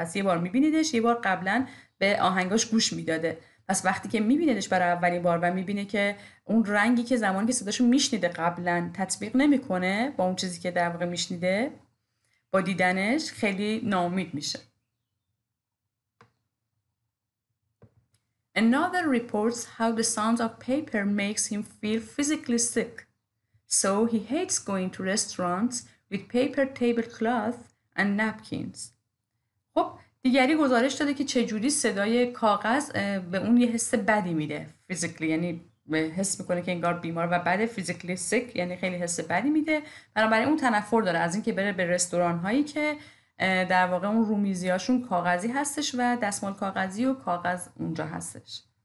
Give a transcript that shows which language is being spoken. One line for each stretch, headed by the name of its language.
Persian: پس یه بار میبینیدش، یه بار قبلا به آهنگاش گوش میداده، پس وقتی که میبینیدش برای اولین بار و میبینه که اون رنگی که زمانی که صداشو میشنیده قبلا تطبیق نمیکنه با اون چیزی که در واقع میشنیده، با دیدنش خیلی ناامید میشه.
English: Another reports how the sound of paper makes him feel physically sick. So he hates going to restaurants with paper tablecloth and napkins.
Persian: خب دیگری گزارش داده که چجوری صدای کاغذ به اون یه حس بدی میده. Physically یعنی حس میکنه که انگار بیمار و بعد physically sick یعنی خیلی حس بدی میده. بنابراین اون تنفر داره از این که بره به رستوران هایی که در واقع اون رومیزی هاشون کاغذی هستش و دستمال کاغذی و کاغذ اونجا هستش.